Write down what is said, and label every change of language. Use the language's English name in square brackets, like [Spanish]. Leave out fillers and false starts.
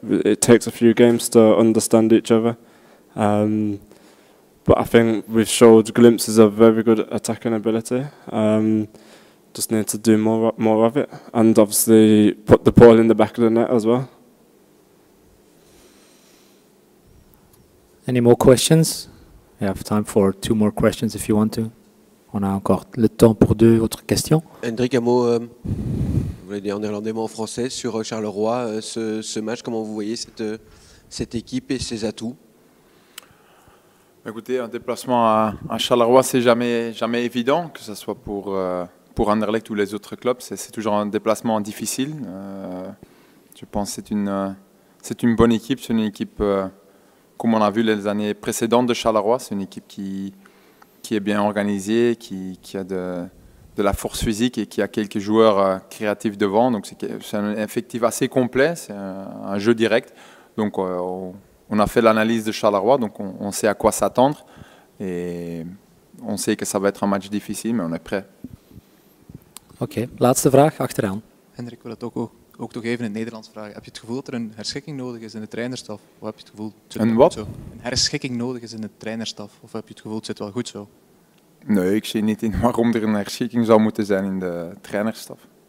[English] It takes a few games to understand each other. But I think we've showed glimpses of very good attacking ability. Just need to do more of it, and obviously put the ball in the back of the net as well. Any more questions? We have time for 2 more questions if you want to. [French] On a encore le temps pour 2 autres questions. Hendrik, un mot, vous voulez dire en néerlandais, mais en français, sur Charleroi, ce match, comment vous voyez cette équipe et ses atouts? Écoutez, un déplacement à Charleroi, c'est jamais évident, que ce soit pour Anderlecht ou les autres clubs. C'est toujours un déplacement difficile. Je pense que c'est une bonne équipe. C'est une équipe, comme on a vu les années précédentes de Charleroi, c'est une équipe qui est bien organisée, qui a de la force physique et qui a quelques joueurs créatifs devant. Donc c'est un effectif assez complet, c'est un jeu direct. Donc on a fait l'analyse de Charleroi, donc on sait à quoi s'attendre. Et on sait que ça va être un match difficile, mais on est prêt. [Dutch] Ok, laatste vraag, achteraan. Hendrik, wil dat ook toch even in het Nederlands vragen. Heb je het gevoel dat er een herschikking nodig is in de trainerstaf? Of heb je het gevoel dat het wat? Zo? Een herschikking nodig is in de trainerstaf? Of heb je het gevoel dat het wel goed zo? Nee, ik zie niet in waarom er een herschikking zou moeten zijn in de trainerstaf.